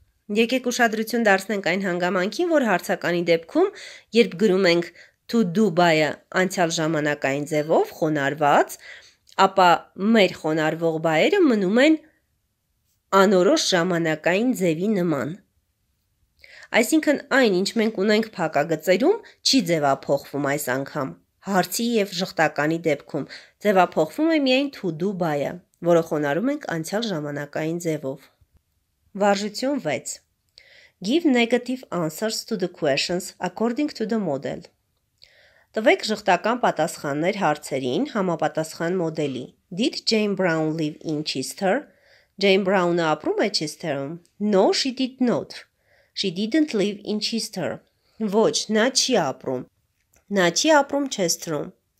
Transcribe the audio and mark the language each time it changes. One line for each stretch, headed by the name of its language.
Armenian: Եկեք ուշադրություն դարձնենք այն հանգամանքին, որ հարցականի դեպքում, երբ գրում ենք to do by-ը անցյալ ժամանակային ձևով խոնարհված, ապա մեր խոնարհվող բայերը մնում են անորոշ ժամանակային ձևի նման։ Այսինքն այն, ինչ մենք ունենք փակագծերում, չի ձևափոխվում այս անգամ, հարցի և ժխտականի դեպքում, ձևափոխվում է միայն to do by-ը, որը խոնարում ենք անցյալ ժամանակային ձևով։ Վարժություն 6.
English: Give negative answers to the questions according to the model.
Armenian: Տվեք ժխտական պատասխաններ հարցերին համապատասխան մոդելի.
English: Did Jane Brown live in Chester?
Armenian: Jane Brown-ը ապրում է Chester-ում?
English: No, she did not. She didn't live in Chester.
Armenian: Ոչ, նա չի ապրում. Նա չի ապրում Chester-ում.